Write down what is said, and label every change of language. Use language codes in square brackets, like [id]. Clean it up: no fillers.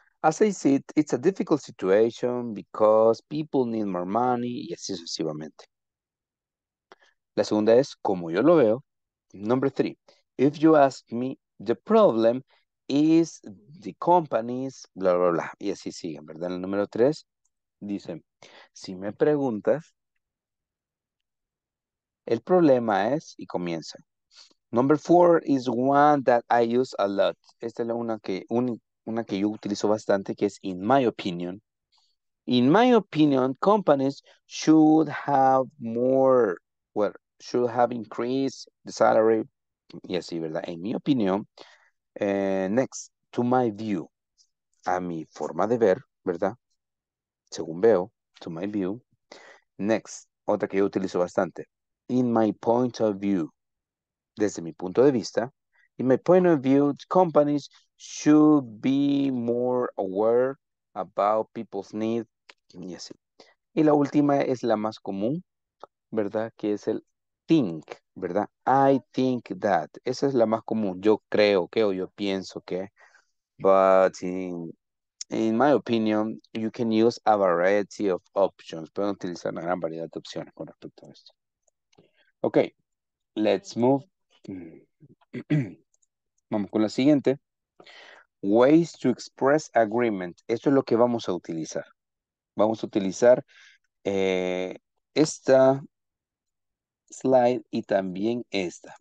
[en] As I said, it's a difficult situation because people need more money [es] y así sucesivamente. La segunda es, como yo lo veo. [en] Number three, if you ask me, the problem is the companies, bla, bla, bla. [es] Y así siguen, ¿verdad? El número tres dice, si me preguntas, el problema es, y comienza. [en] Number four is one that I use a lot. [es] Esta es una que yo utilizo bastante, que es [en] in my opinion. In my opinion, companies should have more, well, should have increased the salary. [es] Y así, ¿verdad? En mi opinión. [en] Next, to my view. [es] A mi forma de ver, ¿verdad? Según veo, [en] to my view. Next, [es] otra que yo utilizo bastante. [en] In my point of view. [es] Desde mi punto de vista. [en] In my point of view, companies should be more aware about people's needs. [es] Y así. Y la última es la más común, ¿verdad? Que es el think, ¿verdad? [en] I think that. [es] Esa es la más común. Yo creo que o yo pienso que. [en] But in my opinion, you can use a variety of options. [es] Pueden utilizar una gran variedad de opciones con respecto a esto. [en] Ok. Let's move. [es] Vamos con la siguiente. [en] Ways to express agreement. [es] Esto es lo que vamos a utilizar. Vamos a utilizar esta slide y también esta.